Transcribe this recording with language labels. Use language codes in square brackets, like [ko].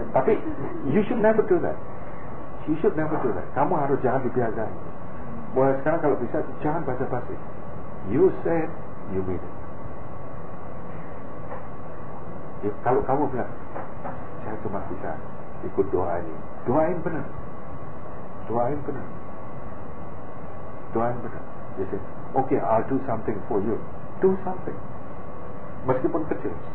[id] Tapi [en] you should never do that. You should never do that. [id] Kamu harus jangan dibiarkan. Boleh sekarang kalau bisa jangan basa-basi. [en] You said, you mean it. [id] Ya, kalau kamu bilang, saya cuma bisa ikut doa ini. Doain benar. Doain benar. [en] Dia say, okay, I'll do something for you. Do something. [id] Meskipun kecil.